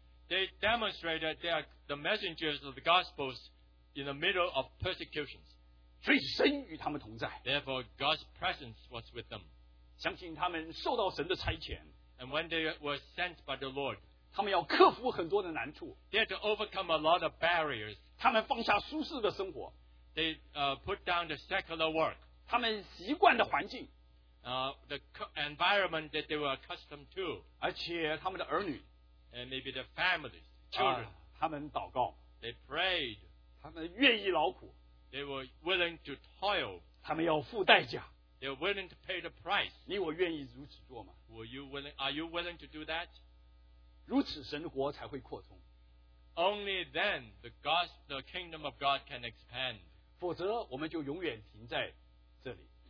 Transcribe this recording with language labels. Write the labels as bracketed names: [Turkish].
[English] They demonstrate that they are the messengers of the gospels in the middle of persecutions. [Chinese] 所以神与他们同在。 [English] Therefore, God's presence was with them. [Chinese] 相信他们受到神的差遣。 [English] And when they were sent by the Lord, [Chinese] 他们要克服很多的难处。 [English] They had to overcome a lot of barriers. [Chinese] 他们放下舒适的生活。 [English] They put down the secular work. [Chinese] 他们习惯的环境。 [English] The environment that they were accustomed to. [Chinese] 而且他们的儿女。 [English] And maybe their families, children. [Chinese] 他们祷告。 [English] They prayed. [Chinese] 他们愿意劳苦。 [English] They were willing to toil. [Chinese] 他们要付代价。 [English] They were willing to pay the price. [Chinese] 你我愿意如此做吗？ [English] Are you willing to do that? [Chinese] 如此神国才会扩充。 [English] Only then the kingdom of God can expand. [Chinese] 否则我们就永远停在这里。